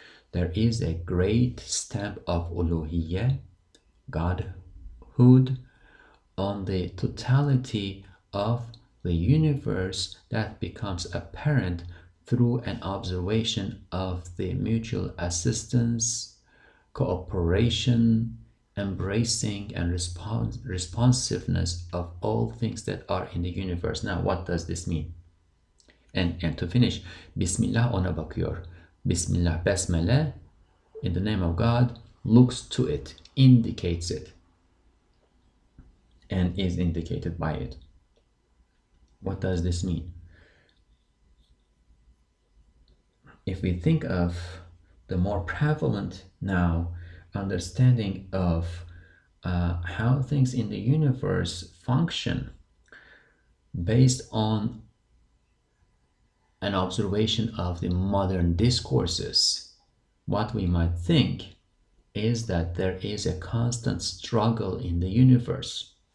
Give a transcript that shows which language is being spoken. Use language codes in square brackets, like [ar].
[en] There is a great stamp of uluhiyyah, Godhood, on the totality of the universe that becomes apparent through an observation of the mutual assistance, cooperation, embracing, and responsiveness of all things that are in the universe. Now, what does this mean? And to finish, [tr] Bismillah ona bakıyor. [en] Bismillah, Besmele, in the name of God, looks to it, indicates it, and is indicated by it. What does this mean? If we think of the more prevalent now understanding of how things in the universe function based on an observation of the modern discourses, what we might think is that there is a constant struggle in the universe.